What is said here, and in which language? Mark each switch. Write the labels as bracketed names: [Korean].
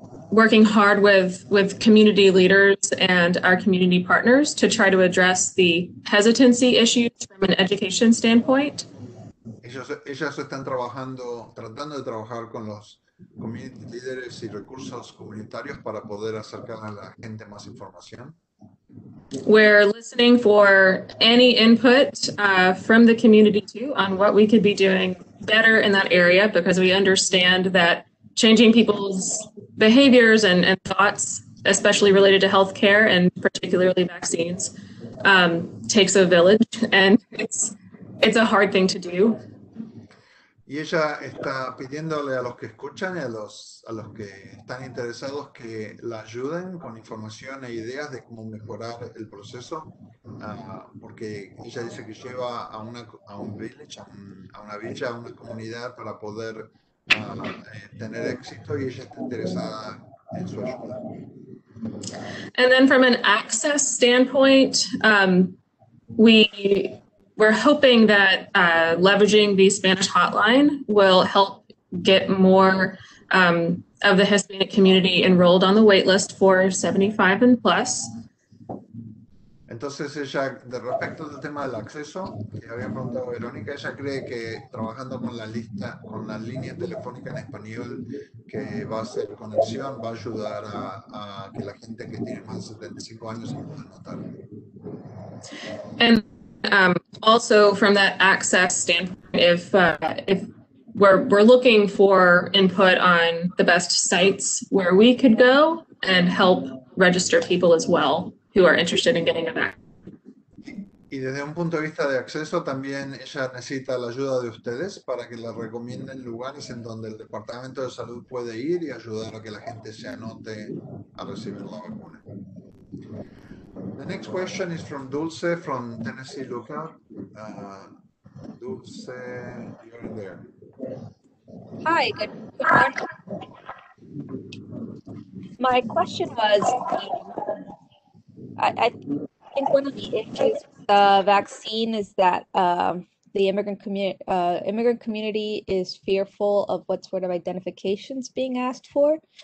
[English] working hard with community leaders and our community partners to try to address the hesitancy issues from an education standpoint. [Spanish] Ellas están tratando de trabajar con los [English] community leaders [Spanish] y recursos comunitarios para poder acercar a la gente más información. [English] We're listening for any input from the community too on what we could be doing better in that area, because we understand that changing people's behaviors and thoughts, especially related to healthcare and particularly vaccines, takes a village, and it's a hard thing to do. [Spanish] Y ella está pidiéndole a los que escuchan y a los que están interesados que la ayuden con información e ideas de cómo mejorar el proceso, porque ella dice que lleva a una villa, a una comunidad para poder tener éxito, y ella está interesada en su ayuda. [English] And then from an access standpoint, we're hoping that leveraging the Spanish hotline will help get more of the Hispanic community enrolled on the waitlist for 75 and plus. [Spanish] Entonces ella, de respecto al tema del acceso, que había preguntado Verónica, ella cree que trabajando con la línea telefónica en español, que va a hacer conexión, va a ayudar a que la gente que tiene más de 75 años se pueda anotar. [English] Also, from that access standpoint, if we're looking for input on the best sites where we could go and help register people as well who are interested in getting a vaccine. [Spanish] Y desde un punto de vista de acceso, también ella necesita la ayuda de ustedes para que le recomienden lugares en donde el Departamento de Salud puede ir y ayudar a que la gente se anote a recibir la vacuna. [English] The next question is from Dulce from Tennessee Luca. Dulce, you're there. Hi, good morning. My question was, I think one of the issues with the vaccine is that the immigrant community is fearful of what sort of identifications being asked for.